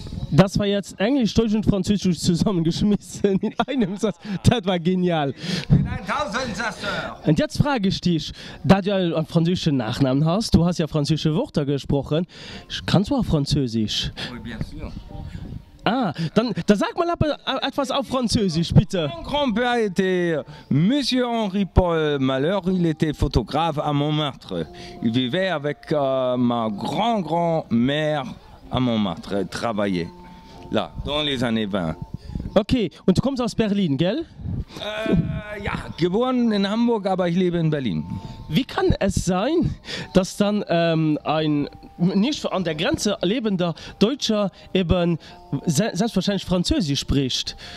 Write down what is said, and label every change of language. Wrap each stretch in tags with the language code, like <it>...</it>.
<de>Das war jetzt Englisch, Deutsch und Französisch zusammengeschmissen in einem Satz. Das war genial. In 1000 Satz. Und jetzt frage ich dich, da du einen französischen Nachnamen hast, du hast ja französische Wörter gesprochen, kannst du auch Französisch? Ah, dann sag mal etwas auf Französisch, bitte.</de> <fr>Mon grand-père était Monsieur Henri Paul Malheur, il était photographe à Montmartre. Il vivait avec ma grand-grand-mère à Montmartre, il travaillait là, dans les années 20.</fr> <de>Okay, und du kommst aus Berlin, gell? Ja, geboren in Hamburg, aber ich lebe in Berlin. Wie kann es sein, dass dann ein nicht an der Grenze lebender Deutscher eben selbstverständlich Französisch spricht?</de>